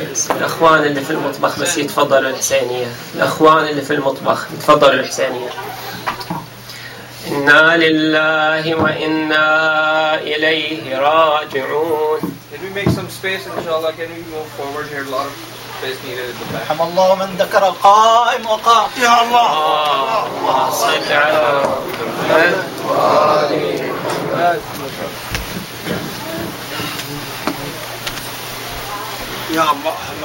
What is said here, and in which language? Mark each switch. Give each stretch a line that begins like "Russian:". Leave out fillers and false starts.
Arabic: الأخوان اللي في المطبخ بس يتفضلوا الحسينية. الأخوان اللي في المطبخ يتفضلوا الحسينية. إنا لله وإنا إليه راجعون.
English: Can we make some space, inshallah? Can we move forward here? A lot of space needed in the back.
Arabic: رحم الله من ذكر القائم وقام. يا الله. الله صل على محمد وآل محمد. يا الله